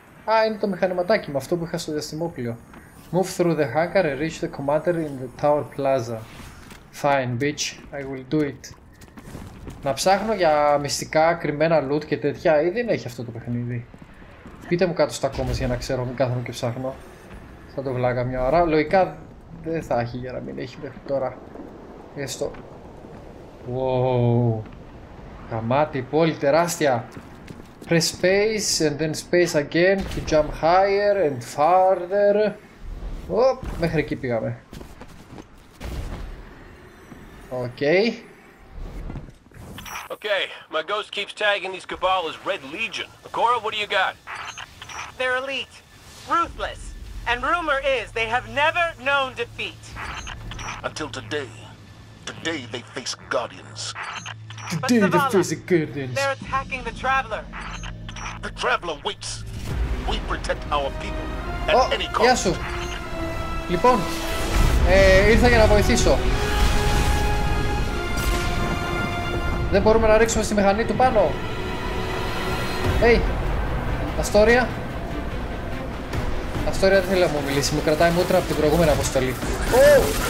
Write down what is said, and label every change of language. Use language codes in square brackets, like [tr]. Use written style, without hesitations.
[el] Α, είναι το μηχανηματάκι με αυτό που είχα στο διαστημόπλιο. [en] Move through the hangar and reach the commander in the tower plaza. Fine, bitch. I will do it. [el] Να ψάχνω για μυστικά, κρυμμένα loot και τέτοια. Ή δεν έχει αυτό το παιχνίδι? Πείτε μου κάτω στα comments για να ξέρω. Μην κάθομαι και ψάχνω. Θα το βλάκα μια ώρα. Λογικά δεν θα έχει για να μην έχει μέχρι τώρα. Έστω. Wow. Γαμάτη πόλη τεράστια. [en] Press space and then space again to jump higher and farther. [el] Οπ, μέχρι εκεί πήγαμε. [en] Okay. Okay, my ghost keeps tagging these cabal as Red Legion. Akora, what do you got? They're elite. Ruthless. And rumor is, they have never known defeat. Until today. Today they face Guardians. Today they face the Guardians. They're attacking the Traveler. The Traveler waits. We protect our people at any cost. [el] Oh, γεια σου. Λοιπόν, ήρθα για να βοηθήσω. Δεν μπορούμε να ρίξουμε στη μηχανή του πάνω. Hey, Αστόρια. Αστόρια δεν θέλει να μου μιλήσει, μου κρατάει μούτρα από την προηγούμενη αποστολή. Oh!